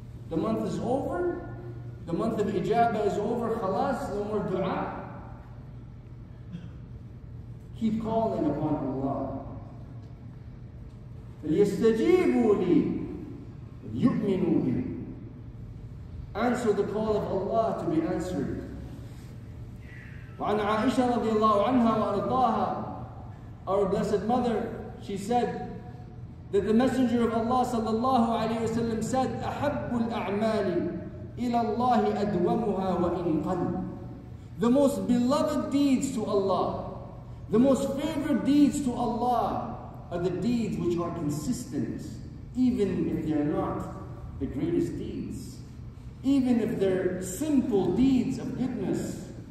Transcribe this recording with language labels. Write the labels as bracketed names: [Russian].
[English] The month is over, the month of ijabah is over, khalas, no more dua. Keep calling upon Allah. [Arabic] فَلْيَسْتَجِيبُوا لِي يُؤْمِنُوا بِهِ. [English] Answer the call of Allah to be answered. [Arabic] وعن عائشة رضي الله عنها وأرضاها, [English] our blessed mother, she said that the messenger of Allah [Arabic] صلى الله عليه وسلم said, أحب الأعمال إلى الله أدومها وإن قل. [English] The most beloved deeds to Allah, the most favored deeds to Allah, are the deeds which are consistent, even if they are not the greatest deeds, even if they're simple deeds of goodness.